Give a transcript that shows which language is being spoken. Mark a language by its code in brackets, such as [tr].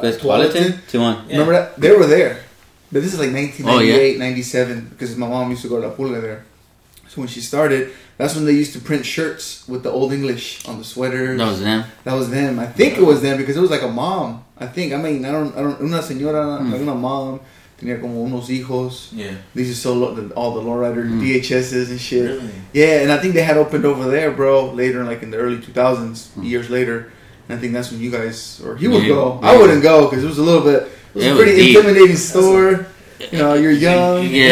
[en] Tualatin? Tijuana. Yeah. Remember that? They were there. But this is like 1998, 97, because my mom used to go to La Pulga there. So when she started, that's when they used to print shirts with the old English on the sweaters. That was them. That was them. I think it was them because it was like a mom. I think. I mean, I don't. [es] Una señora, like una mom, tenía como unos hijos. [en] Yeah. These are so all the lowrider DHSs and shit. Really? Yeah, and I think they had opened over there, bro, later in like in the early 2000s, years later. And I think that's when you guys, or he would go. Yeah. I wouldn't go because it was a little bit... It was a pretty deep. Intimidating store. Like, you know, you're young. Yeah.